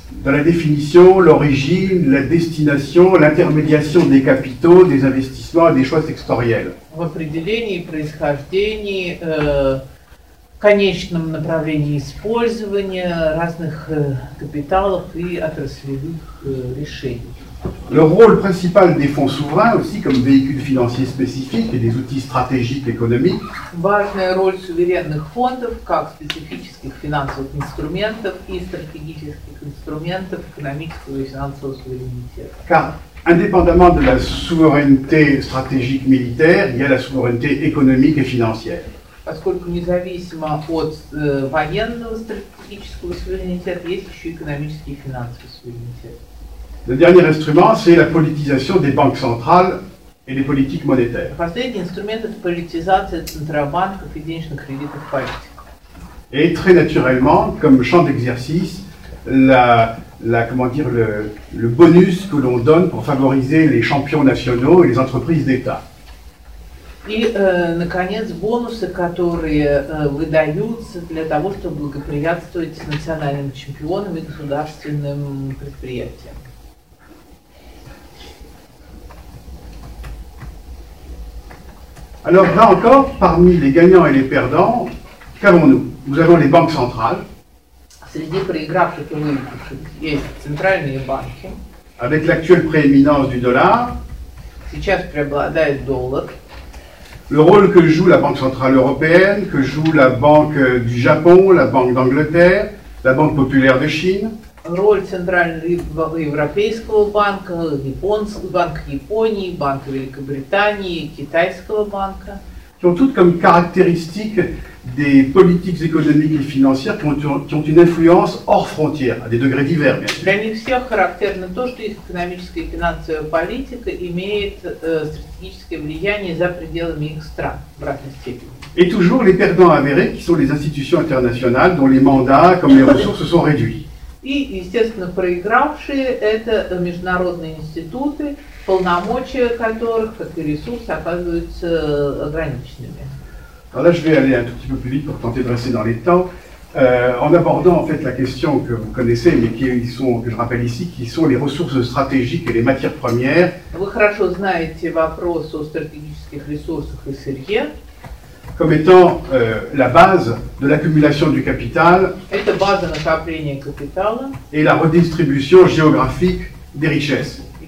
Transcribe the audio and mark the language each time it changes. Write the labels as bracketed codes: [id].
[fr] Dans la définition, l'origine, la destination, l'intermédiation des capitaux, des investissements et des choix sectoriels. [ru] В определении, происхождении, конечном направлении использования разных капиталов и отраслевых решений. [fr] Le rôle principal des fonds souverains aussi comme véhicule financier spécifique et des outils stratégiques économiques. [ru] Важная роль суверенных фондов как специфических финансовых инструментов и стратегических инструментов экономического и финансового суверенитета. [fr] Car indépendamment de la souveraineté stratégique militaire, il y a la souveraineté économique et financière. [ru] Поскольку независимо от военного стратегического суверенитета есть еще экономический и финансовый суверенитет. [fr] Le dernier instrument, c'est la politisation des banques centrales et des politiques monétaires. [ru] Последний инструмент – это политизация центробанков и денежных кредитов политики. [fr] Et très naturellement, comme champ d'exercice, le bonus que l'on donne pour favoriser les champions nationaux et les entreprises d'État. [ru] И, наконец, бонусы, которые выдаются для того, чтобы благоприятствовать национальным чемпионам и государственным предприятиям. [fr] Alors là encore, parmi les gagnants et les perdants, qu'avons-nous ? Nous avons les banques centrales. [ru] Среди проигравших и выигравших есть центральные банки. [fr] Avec l'actuelle prééminence du dollar. [ru] Сейчас преобладает доллар. [fr] Le rôle que joue la Banque centrale européenne, que joue la Banque du Japon, la Banque d'Angleterre, la Banque populaire de Chine. [ru] Роль центрального европейского банка, банк Японии, банк Великобритании, китайского банка. [fr] Qui ont toutes comme caractéristique des politiques économiques et financières qui ont une influence hors frontières, à des degrés divers. Bien sûr. [ru] Для них всех характерно то, что их экономическая и финансовая политика имеет стратегическое влияние за пределами их стран в разной степени. [fr] Et toujours les perdants avérés qui sont les institutions internationales dont les mandats comme les ressources sont réduits. [ru] И, естественно, проигравшие – это международные институты, полномочия которых, как и ресурсы, оказываются ограниченными. [fr] Alors là, je vais aller un tout petit peu plus vite pour tenter de rester dans les temps, en abordant en fait la question que vous connaissez, mais que je rappelle ici, qui sont les ressources stratégiques et les matières premières. [ru] Вы хорошо знаете вопрос о стратегических ресурсах и сырье. [fr] Comme étant la base de l'accumulation du capital et la redistribution géographique des richesses.